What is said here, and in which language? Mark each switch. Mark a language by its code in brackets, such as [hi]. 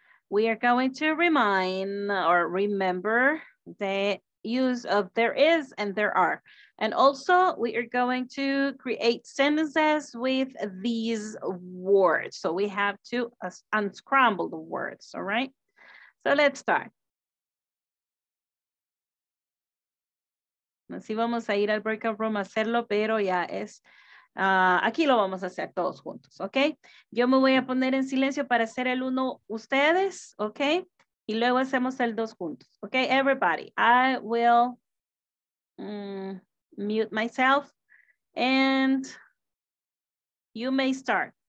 [en] We are going to remind or remember the use of there is and there are. And also we are going to create sentences with these words. So we have to unscramble the words, all right? So let's start. [es] Así vamos a ir al breakout room a hacerlo, pero ya es... aquí lo vamos a hacer todos juntos, ¿ok? Yo me voy a poner en silencio para hacer el uno ustedes, ¿ok? Y luego hacemos el dos juntos, ¿ok? [en] Everybody, I will mute myself and you may start.